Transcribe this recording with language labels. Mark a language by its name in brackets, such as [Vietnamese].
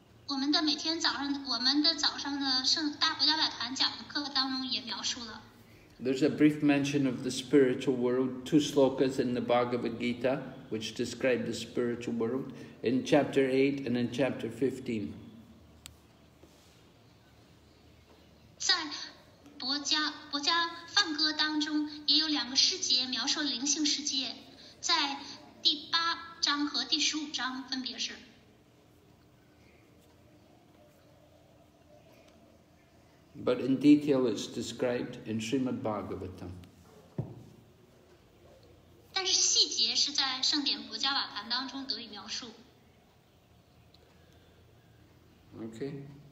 [Chinese] 我们的每天早上，我们的早上的圣大博伽瓦坛讲的课当中也描述了。 [English] There's a brief mention of the spiritual world, two slokas in the Bhagavad Gita, which describe the spiritual world, in chapter 8 and in chapter 15. [Chinese] 在博伽梵歌当中也有两个世界描述灵性世界，在第八章和第十五章分别是。 [English] But in detail, it's described in Srimad Bhagavatam. [Chinese] 但是细节是在圣典博伽瓦坛当中得以描述。 [English] Okay.